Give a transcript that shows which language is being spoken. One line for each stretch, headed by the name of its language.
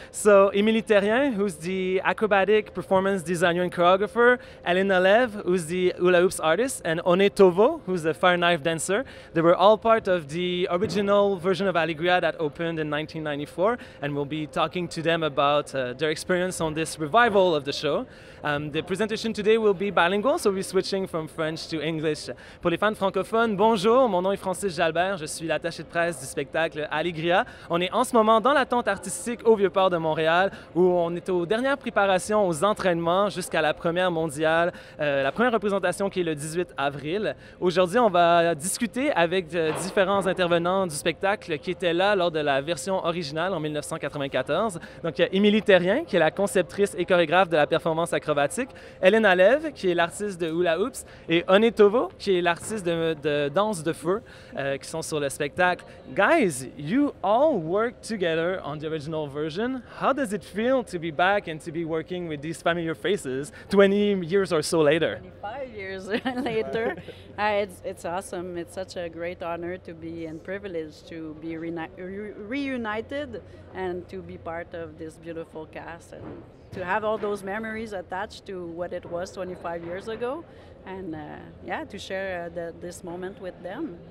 English: So Émilie Therrien, who's the acrobatic performance designer and choreographer, Elena Lev, who's the hula hoops artist, and One Tovo, who's the fire knife dancer. They were all part of the original version of Alegria that opened in 1994. And we'll be talking to them about their experience on this revival of the show. The presentation today will be bilingual, so we'll be switching from French to English.
French: Pour les fans francophones, bonjour, mon nom est Francis Jalbert, je suis l'attaché de presse du spectacle Alegria. On est en ce moment dans la tente artistique au Vieux-Port de Montréal, où on est aux dernières préparations, aux entraînements, jusqu'à la première mondiale, la première représentation qui est le 18 avril. Aujourd'hui, on va discuter avec différents intervenants du spectacle qui étaient là lors de la version originale en 1994. Donc, il y a Émilie Therrien, qui est la conceptrice et chorégraphe de la performance acrobatique, Elena Lev, qui est l'artiste de Hula Hoops, et One Tovo, qui est l'artiste de danse de feu, qui sont sur le spectacle.
English: Guys, you all work together on the original version. How does it feel to be back and to be working with these familiar faces 20 years or so later? 25 years later. It's awesome. It's such a great honor to be and privilege to be reunited and to be part of this beautiful cast and to have all those memories attached to what it was 25 years ago and to share this moment with them.